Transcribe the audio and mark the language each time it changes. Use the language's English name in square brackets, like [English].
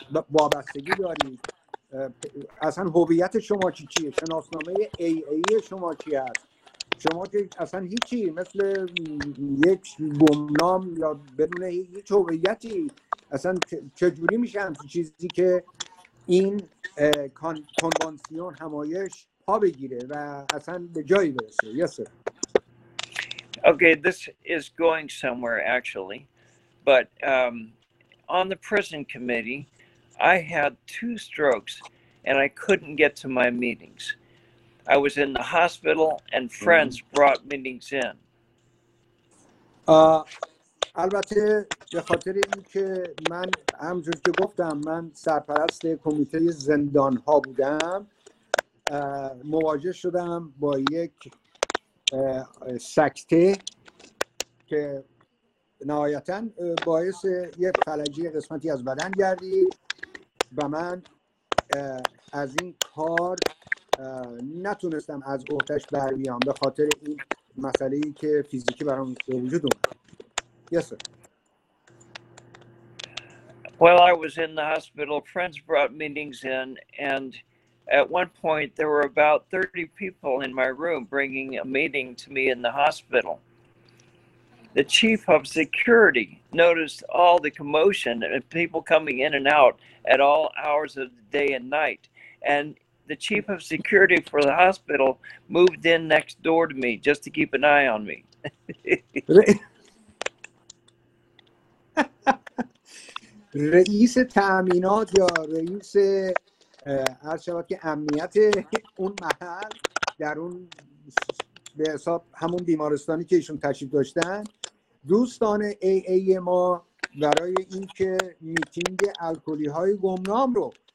[Persian] وابستگی دارید، اصلا هویت شما چی چیه، شناسنامه AA شما چی هست، شما که اصلا هیچی، مثل یک گمنام یا بدون هیچ هویتی، اصلا چجوری میشه همچی چیزی که این کنوانسیون همایش پا بگیره و اصلا به جایی برسه؟ [English] Yes, sir. Okay, this is going somewhere actually, but on the prison committee, I had 2 strokes and I couldn't get to my meetings. I was in the hospital and friends brought meetings in. [Persian] البته به خاطر اینکه من همونجوری که گفتم من سرپرست کمیته زندان ها بودم، مواجه شدم با یک سکته که نهایتاً باعث یک فلجی قسمتی از بدن گردید و من از این کار نتونستم از اوتش بر بیام به خاطر این مسئله ای که فیزیکی برام به وجود اومد. [English] Yes, sir. Well, I was in the hospital. Friends brought meetings in, and at one point there were about 30 people in my room bringing a meeting to me in the hospital. The chief of security noticed all the commotion and people coming in and out at all hours of the day and night. And the chief of security for the hospital moved in next door to me just to keep an eye on me. [Persian] رئیس تأمینات یا رئیس عرض شود که امنیت اون محل در اون به حساب همون بیمارستانی که ایشون تشریف داشتن، دوستان AA ما برای اینکه میتینگ الکلی های گمنام رو